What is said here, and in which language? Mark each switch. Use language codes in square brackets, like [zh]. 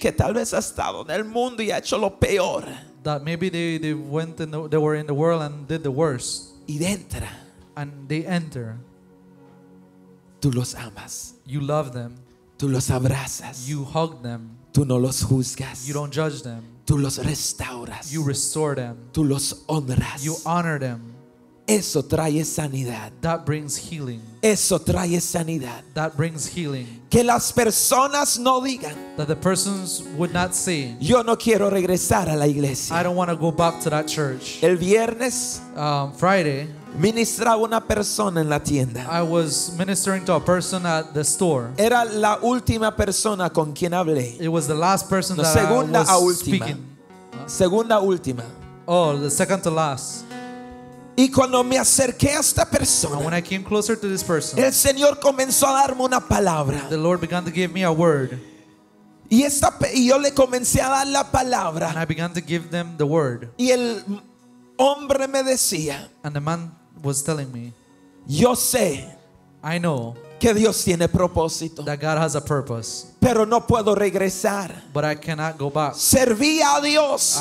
[es] que tal vez ha estado en el mundo y ha hecho lo peor, [en] that maybe they went in the, they were in the world and did the worst, [es] y entra, [en] and they enter. [es] Tú los amas. [en] You love them. [es] Tú los abrazas. [en] You hug them. [es] Tú no los juzgas. [en] You don't judge them. [es] Tú los restauras. [en] You restore them. [es] Tú los honras. [en] You honor them. [es] Eso trae sanidad. [en] That brings healing. [es] Eso trae sanidad. [en] That brings healing. [es] Que las personas no digan, [en] that the persons would not say, [es] yo no quiero regresar a la iglesia. [en] I don't want to go back to that church. [es] El viernes, [en] Friday, [es] ministraba una persona en la tienda. [en] I was ministering to a person at the store. [es] Era la última persona con quien hablé. [en] It was the last person that I was speaking. [es] Segunda última. [en] Oh, the second to last. [es] Y cuando me acerqué a esta persona, [en] when I came closer to this person, [es] el Señor comenzó a darme una palabra. [en] The Lord began to give me a word. [es] Y esta, y yo le comencé a dar la palabra. [en] And I began to give them the word. [es] Y el hombre me decía, [en] and the man was telling me, [es] yo sé, [en] I know, [es] que Dios tiene propósito, [en] that God has a purpose, [es] pero no puedo regresar, [en] but I cannot go back. [es] Serví a Dios,